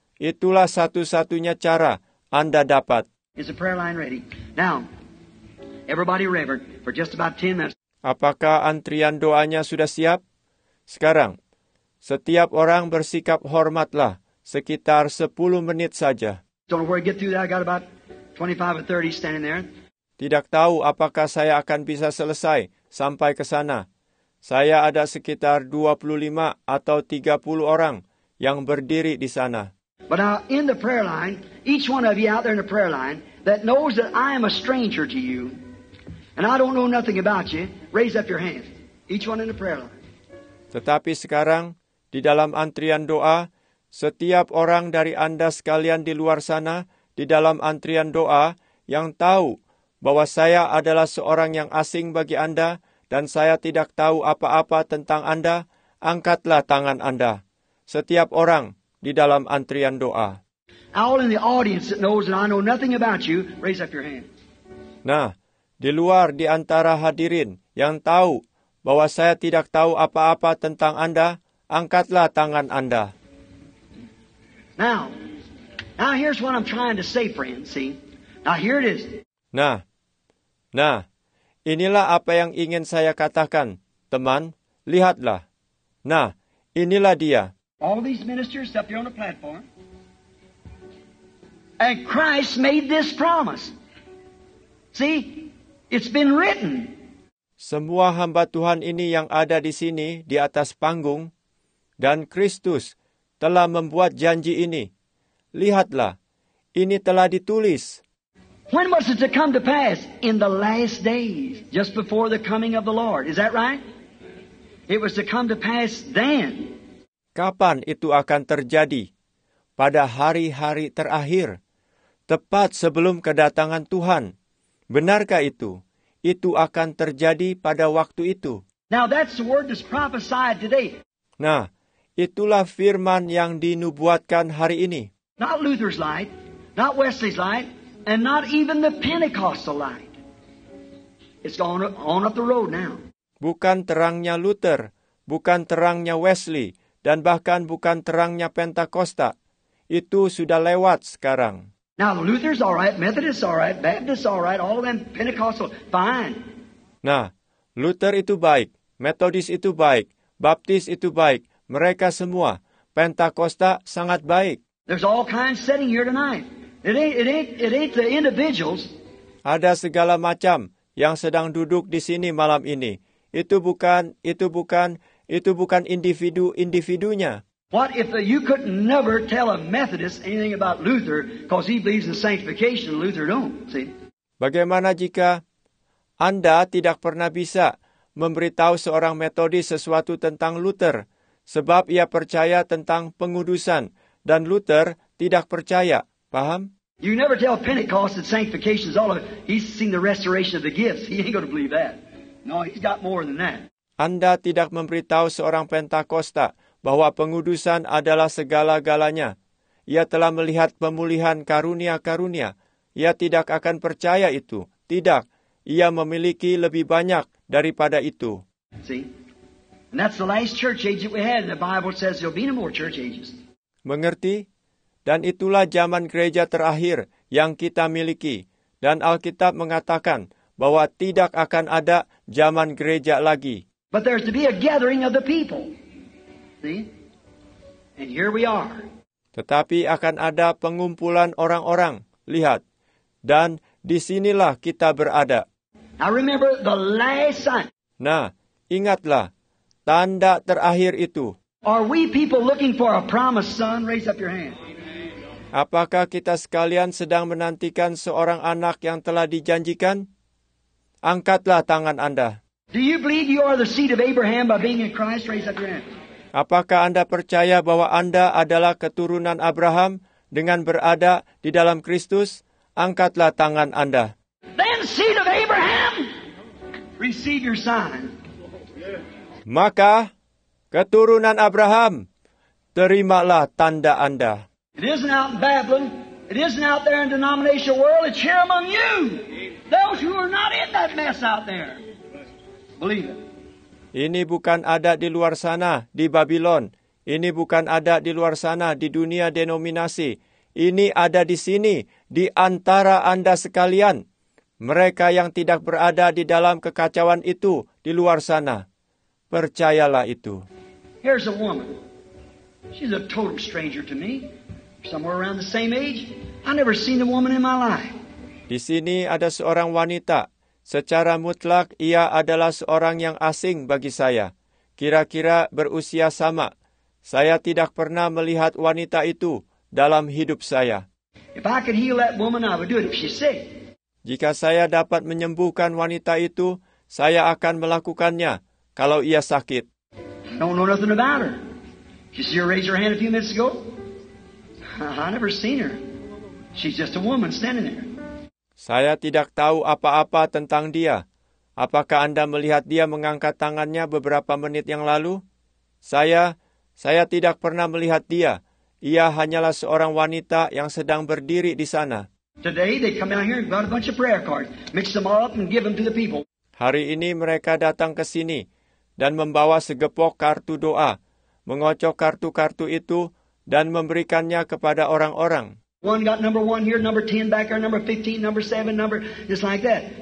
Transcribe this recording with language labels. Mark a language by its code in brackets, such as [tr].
[id] Itulah satu-satunya cara Anda dapat. [en] Is the prayer line ready? Now, everybody reverent for just about 10 minutes. [id] Apakah antrian doanya sudah siap? Sekarang, setiap orang bersikap hormatlah sekitar 10 menit saja. [en] Don't worry, get through that. I got about 25 or 30 standing there. [id] Tidak tahu apakah saya akan bisa selesai sampai ke sana. Saya ada sekitar 25 atau 30 orang yang berdiri di sana. [en] But now in the prayer line, each one of you out there in the prayer line that knows that I am a stranger to you and I don't know nothing about you, raise up your hand. Each one in the prayer line. [id] Tetapi sekarang, di dalam antrian doa, setiap orang dari Anda sekalian di luar sana, di dalam antrian doa, yang tahu bahwa saya adalah seorang yang asing bagi Anda dan saya tidak tahu apa-apa tentang Anda, angkatlah tangan Anda. Setiap orang di dalam antrian doa. [en] All in the audience that knows that I know nothing about you, raise up your hand. [id] Nah, di luar di antara hadirin yang tahu bahwa saya tidak tahu apa-apa tentang Anda, angkatlah tangan Anda. [en] Now here's what I'm trying to say, friend. See? Now here it is. [id] Nah, inilah apa yang ingin saya katakan, teman. Lihatlah. Nah, inilah dia. [en] All these ministers up here on the platform. And Christ made this promise. See? It's been written. [id] Semua hamba Tuhan ini yang ada di sini, di atas panggung, dan Kristus telah membuat janji ini. Lihatlah, ini telah ditulis. [en] When was it to come to pass? In the last days, just before the coming of the Lord. Is that right? It was to come to pass then. [id] Kapan itu akan terjadi? Pada hari-hari terakhir, tepat sebelum kedatangan Tuhan. Benarkah itu? Itu akan terjadi pada waktu itu. [en] Now that's the word that's prophesied today. [id] Nah, itulah firman yang dinubuatkan hari ini. [en] Not Luther's light, not Wesley's light, and not even the Pentecostal light. It's gone on up the road now. [id] Bukan terangnya Luther, bukan terangnya Wesley, dan bahkan bukan terangnya Pentakosta. Itu sudah lewat sekarang. [en] Now Luther's all right, Methodist's all right, Baptist's all right, all of them Pentecostal, fine. [id] Nah, Luther itu baik, Methodist itu baik, Baptist itu baik, mereka semua, Pentakosta sangat baik. [en] There's all kinds sitting here tonight. It ain't the individuals. [id] Ada segala macam yang sedang duduk di sini malam ini. Itu bukan individu-individunya. [en] What if you could never tell a Methodist anything about Luther because he believes in sanctification and Luther don't, see? [id] Bagaimana jika Anda tidak pernah bisa memberitahu seorang Methodist sesuatu tentang Luther sebab ia percaya tentang pengudusan dan Luther tidak percaya, paham? [en] You never tell Pentecost that sanctification is all of it. He's seen the restoration of the gifts. He ain't going to believe that. No, he's got more than that. [id] Anda tidak memberitahu seorang Pentakosta bahwa pengudusan adalah segala-galanya. Ia telah melihat pemulihan karunia-karunia. Ia tidak akan percaya itu. Tidak. Ia memiliki lebih banyak daripada itu. [en] See? And that's the last church age that we had. The Bible says there'll be no more church ages. [id] Mengerti? Dan itulah zaman gereja terakhir yang kita miliki. Dan Alkitab mengatakan bahwa tidak akan ada zaman gereja lagi. [en] But there's to be a gathering of the people. See? And here we are. [id] Tetapi akan ada pengumpulan orang-orang. lihat, dan disinilah kita berada. [en] Now remember the last sign. [id] Nah, ingatlah, tanda terakhir itu. [en] Are we people looking for a promised son? Raise up your hand. [id] Apakah kita sekalian sedang menantikan seorang anak yang telah dijanjikan? Angkatlah tangan Anda. [en] Do you believe you are the seed of Abraham by being in Christ? Raise up your hand. [id] Apakah Anda percaya bahwa Anda adalah keturunan Abraham dengan berada di dalam Kristus? Angkatlah tangan Anda. [en] Then seed of Abraham, receive your sign. [id] Maka, keturunan Abraham, terimalah tanda Anda. [en] It isn't out in Babylon. It isn't out there in the denominational world. It's here among you. Those who are not in that mess out there. Believe it. [id] Ini bukan ada di luar sana, di Babylon. Ini bukan ada di luar sana, di dunia denominasi. Ini ada di sini, di antara Anda sekalian. Mereka yang tidak berada di dalam kekacauan itu, di luar sana. Percayalah itu. [en] Here's a woman. She's a total stranger to me. Somewhere around the same age. I never seen a woman in my life. [id] Di sini ada seorang wanita. Secara mutlak, ia adalah seorang yang asing bagi saya. Kira-kira berusia sama. Saya tidak pernah melihat wanita itu dalam hidup saya. [en] If I could heal that woman, I would do it if she's sick. [id] Jika saya dapat menyembuhkan wanita itu, saya akan melakukannya kalau ia sakit. [en] I don't know nothing about her. You see her raise her hand a few minutes ago? I never seen her. She's just a woman standing there. [id] Saya tidak tahu apa-apa tentang dia. Apakah Anda melihat dia mengangkat tangannya beberapa menit yang lalu? Saya tidak pernah melihat dia. Ia hanyalah seorang wanita yang sedang berdiri di sana. [en] Today they come out here and got a bunch of prayer cards, mix them all up and give them to the people. [id] Hari ini mereka datang ke sini dan membawa segepok kartu doa, mengocok kartu-kartu itu dan memberikannya kepada orang-orang. [en] One got number 1 here, number 10 back there, number 15, number 7, number just like that.